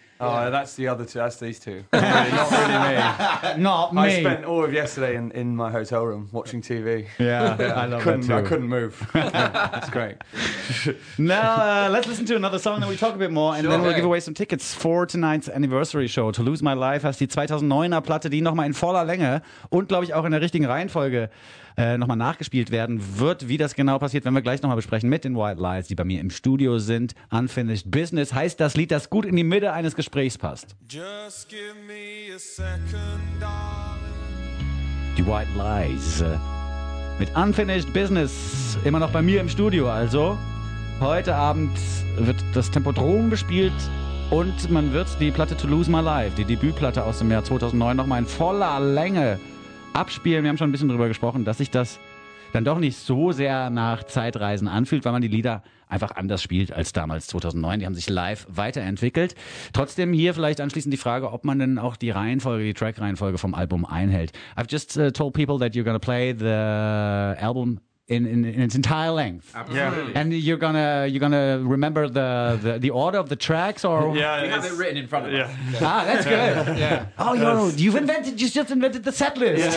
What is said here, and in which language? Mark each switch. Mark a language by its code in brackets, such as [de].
[en] Oh, that's the other two. That's these two. Not really me. Not me. I spent all of yesterday in my hotel room watching TV. I love that too. I couldn't move. That's great. Now, let's listen to another song, then we talk a bit more, and then we'll give away some tickets for tonight's anniversary show. [de] To Lose My Life heißt die 2009er Platte, die nochmal in voller Länge und, glaube ich, auch in der richtigen Reihenfolge nochmal nachgespielt werden wird. Wie das genau passiert, werden wir gleich nochmal besprechen mit den White Lies, die bei mir im Studio sind. Unfinished Business heißt das Lied, das gut in die Mitte eines Gesprächs passt. [en] Just give me a second, [de] die White Lies mit Unfinished Business, immer noch bei mir im Studio also. Heute Abend wird das Tempodrom gespielt und man wird die Platte To Lose My Life, die Debütplatte aus dem Jahr 2009, nochmal in voller Länge abspielen. Wir haben schon ein bisschen drüber gesprochen, dass sich das dann doch nicht so sehr nach Zeitreisen anfühlt, weil man die Lieder einfach anders spielt als damals 2009. Die haben sich live weiterentwickelt. Trotzdem hier vielleicht anschließend die Frage, ob man denn auch die Reihenfolge, die Track-Reihenfolge vom Album einhält. [en] I've just told people that you're gonna play the album in its entire length. Absolutely. Yeah. And you're gonna remember the order of the tracks, or we have it written in front of us. Yeah. Ah, that's good. Yeah. Oh, you've just invented the set list.